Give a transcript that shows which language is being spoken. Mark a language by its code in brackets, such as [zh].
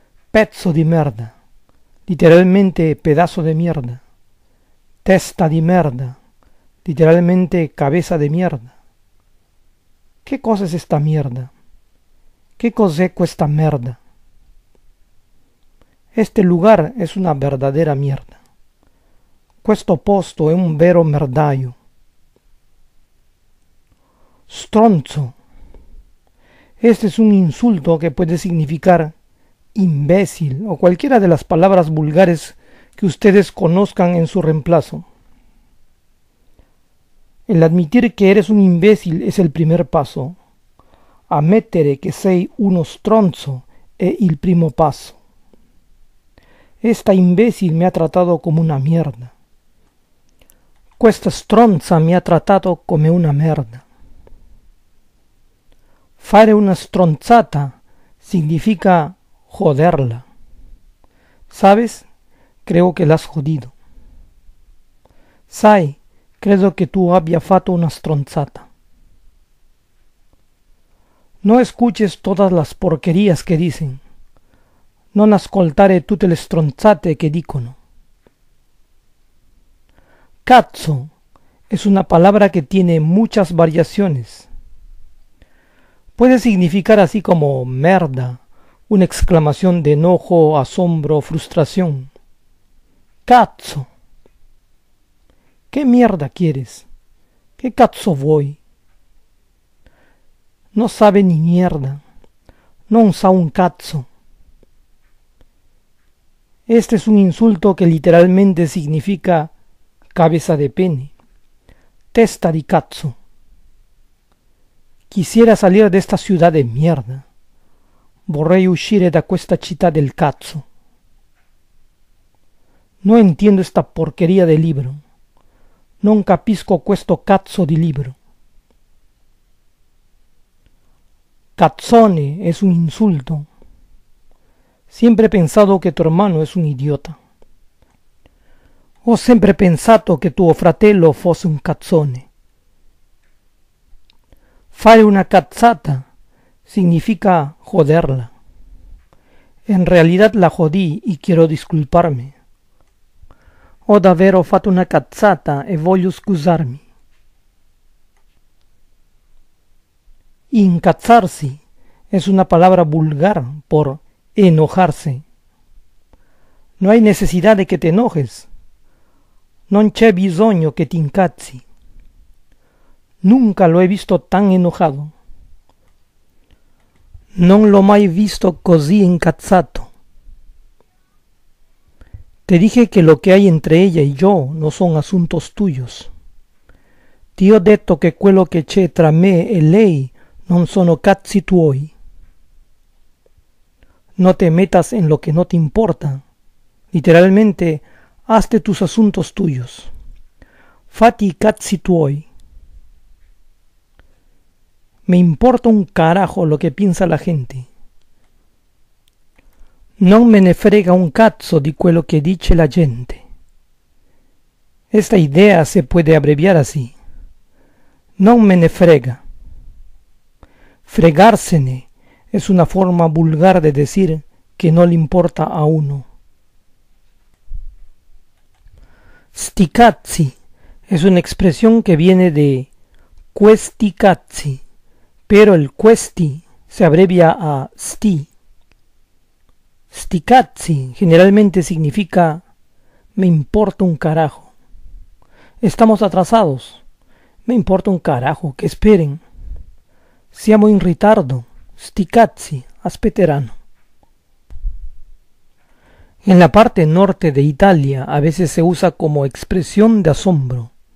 [it] Pezzo di merda, [es] literalmente pedazo de mierda. [it] Testa di merda, [es] literalmente cabeza de mierda. ¿Qué cosa es esta mierda? ¿Qué cosa es esta merda? Este lugar es una verdadera mierda. [it] Questo posto è un vero merdaio. Stronzo. [es] Este es un insulto que puede significar imbécil o cualquiera de las palabras vulgares que ustedes conozcan en su reemplazo. El admitir que eres un imbécil es el primer paso. [it] Ammettere che sei uno stronzo è il primo passo. [es] Esta imbécil me ha tratado como una mierda. [it] Questa stronza me ha trattato come una merda. Fare una stronzata significa [es] Joderla. ¿Sabes? Creo que la has jodido. Sai, creo que tú habías fatto una stronzata. No escuches todas las porquerías que dicen. [it] Non ascoltare tutte le stronzate che dicono. [es] Cazzo es una palabra que tiene muchas variaciones. Puede significar así como merda, una exclamación de enojo, asombro, frustración. Cazzo. ¿Qué mierda quieres? ¿Qué cazzo voy? No sabe ni mierda. [it] Non sa un cazzo. [es] Este es un insulto que literalmente significa cabeza de pene, testa di cazzo. Quisiera salir de esta ciudad de mierda. [it] Vorrei uscire da questa città del cazzo. [es] No entiendo esta porquería de libro. [it] Non capisco questo cazzo di libro. [es] Cazzone es un insulto. Siempre he pensado que tu hermano es un idiota. [it] Ho sempre pensato che tuo fratello fosse un cazzone. Fare una cazzata [es] significa joderla. En realidad la jodí y quiero disculparme. [it] Ho davvero fatto una cazzata e voglio scusarmi. [es] Incazzarsi es una palabra vulgar por enojarse. No hay necesidad de que te enojes. [it] Non c'è bisogno che ti incazzi. [es] Nunca lo he visto tan enojado. [it] Non l'ho mai visto così incazzato. [es] Te dije que lo que hay entre ella y yo no son asuntos tuyos. [it] Ti ho detto che quello che c'è tra me e lei non sono cazzi tuoi. [es] No te metas en lo que no te importa. Literalmente, hazte tus asuntos tuyos. [it] Fatti i cazzi tuoi. [es] Me importa un carajo lo que piensa la gente. [it] Non me ne frega un cazzo di quello che dice la gente. [es] Esta idea se puede abreviar así. [it] Non me ne frega. [es] Fregársene es una forma vulgar de decir que no le importa a uno. Sticazzi es una expresión que viene de questicazzi, pero el questi se abrevia a sti. Sticazzi generalmente significa me importa un carajo. Estamos atrasados. Me importa un carajo, que esperen. [it] Siamo in ritardo. Sticazzi, aspetteranno. [es] En la parte norte de Italia a veces se usa como expresión de asombro.